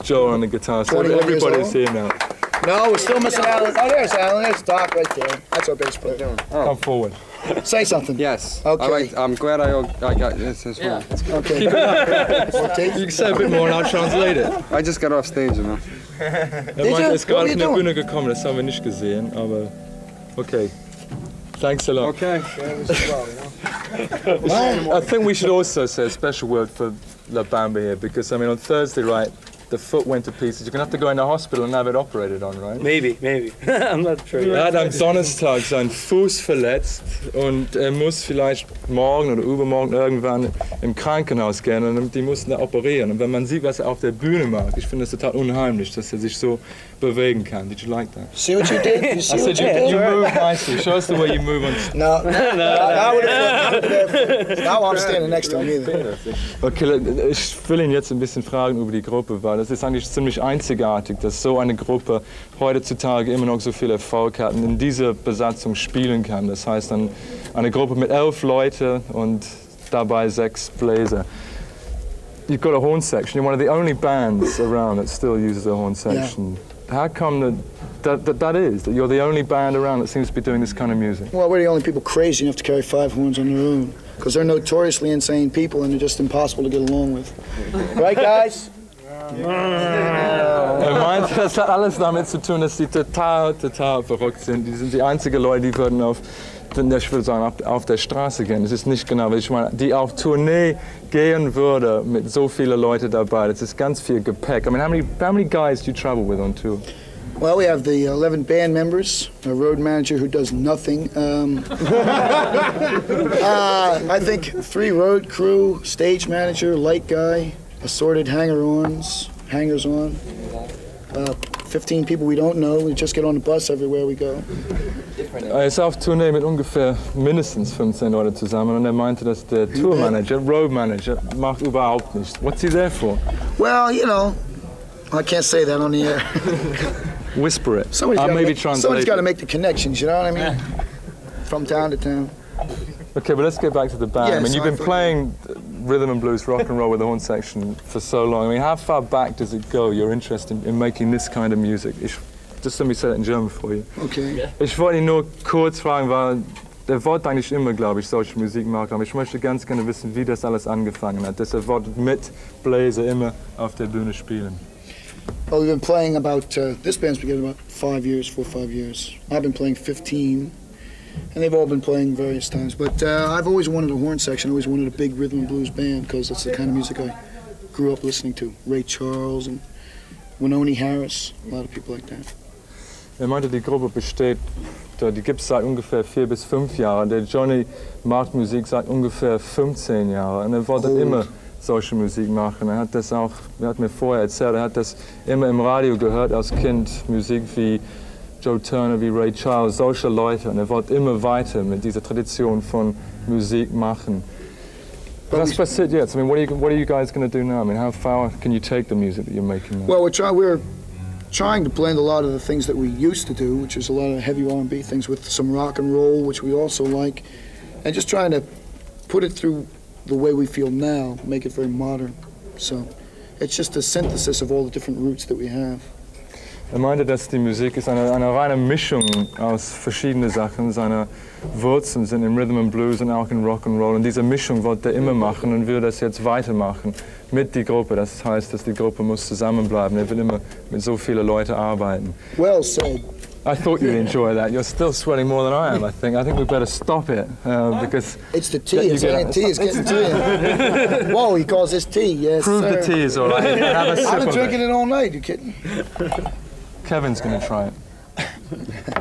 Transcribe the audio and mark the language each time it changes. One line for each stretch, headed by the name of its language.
English: Joel on the guitar. So everybody's here now. No, we're still missing Alan. Oh, there's Alan. There's Doc right there. That's our bass player. Oh. Come forward. Say something. Yes. Okay. I'm glad I got this as well. Yeah, okay. You can say a bit more and I'll translate it. I just got off stage, you know. Did you? What are you doing?
German: Bühne gekommen, das haben wir nicht gesehen, aber okay.
English: Thanks a lot. Okay. I think we should also say a special word for La Bamba here, because, I mean, on Thursday, right, the foot went to pieces. You're going to have to go in the hospital and have it operated on, right? Maybe. I'm not sure.
German: Er hat am Donnerstag seinen Fuß verletzt und er muss vielleicht morgen oder übermorgen irgendwann im Krankenhaus gehen und die mussten da operieren. Und wenn man sieht, was er auf der Bühne macht, ich finde es total unheimlich, dass er sich so bewegen kann.
English: Did you like that? See what you did? You move nicely. Show us the way you move on. No. I'm standing next to him either.
German: Okay, ich will ihn jetzt ein bisschen fragen über die Gruppe, weil das ist eigentlich ziemlich einzigartig, dass so eine Gruppe heutzutage immer noch so viel Erfolg hat und in dieser Besatzung spielen kann. Das heißt dann eine Gruppe mit 11 Leuten und dabei 6 Bläser.
English: You've got a horn section. You're one of the only bands around that still uses a horn section. Yeah. How come that that is? That you're the only band around that seems to be doing this kind of music? Well, we're the only people crazy enough to carry five horns on their own. Because they're notoriously insane people and they're just impossible to get along with. Right, guys?
German: Das hat alles damit zu tun, dass sie total, total verrückt sind. Die sind die einzigen Leute, die würden auf, ich würde sagen, auf der Straße gehen. Das ist nicht genau, was ich meine. Die auf Tournee gehen würde mit so vielen Leuten dabei. Das ist ganz viel Gepäck.
English: I mean, how many guys do you travel with on tour? Well, we have the 11 band members, a road manager who does nothing. I think 3 road crew, stage manager, light guy, assorted hangers-on. 15 people we don't know. We just get on the bus everywhere we go.
German: Er ist auf Tournee mit ungefähr mindestens 15 Leute zusammen und er meinte, dass der Tourmanager, Road Manager, macht überhaupt nichts.
English: What's he there for? Well, you know, I can't say that on the air. Whisper it. Somebody's got to make the connections, you know what I mean? From town to town. Okay, but let's get back to the band. Yeah, I mean, you've been playing rhythm and blues, rock and roll with the horn section for so long. I mean, how far back does it go, your interest in making this kind of music? Just let me say that in German for you. Okay. Yeah.
German: Ich wollte nur kurz fragen, weil der wollte eigentlich immer, glaube ich, solche Musik machen. Aber ich möchte ganz gerne wissen, wie das alles angefangen hat. Deshalb wollte mit Bläser immer auf der Bühne spielen.
English: Well, we've been playing about 5 years, 4 or 5 years. I've been playing 15. And they've all been playing various times, but I've always wanted a horn section. I always wanted a big rhythm and blues band because that's the kind of music I grew up listening to. Ray Charles and Winoni Harris, a lot of people like that.
German: Er meinte, die Gruppe besteht, die gibt's seit ungefähr 4 bis 5 Jahren. Der Johnny macht Musik seit ungefähr 15 Jahren, und er wollte immer solche Musik machen. Er hat das auch, er hat mir vorher erzählt, er hat das immer im Radio gehört als Kind, Musik wie Joe Turner, wie Ray Charles, solche Leute, und er wollte immer weiter mit dieser Tradition von Musik machen. Was passiert jetzt?
English: I mean, what are you guys going to do now? I mean, how far can you take the music that you're making now? Well, we're trying to blend a lot of the things that we used to do, which is a lot of heavy R&B things with some rock and roll, which we also like, and just trying to put it through the way we feel now, make it very modern. So it's just a synthesis of all the different roots that we have.
German: Er meinte, dass die Musik ist eine reine Mischung aus verschiedenen Sachen. Seine Wurzeln sind im Rhythm and Blues und auch in Rock and Roll. Und diese Mischung wollte er immer machen und will das jetzt weitermachen mit der Gruppe. Das heißt, dass die Gruppe muss zusammenbleiben. Er will immer mit so vielen Leuten arbeiten.
English: Well said. I thought you'd enjoy that. You're still sweating more than I am, I think. I think we better stop it, because... It's the tea. It's getting tea. Whoa, he calls this tea, yes, Prove sir. The tea is all right. Have a sip. I've been drinking it all night, you kidding? Kevin's going to try it.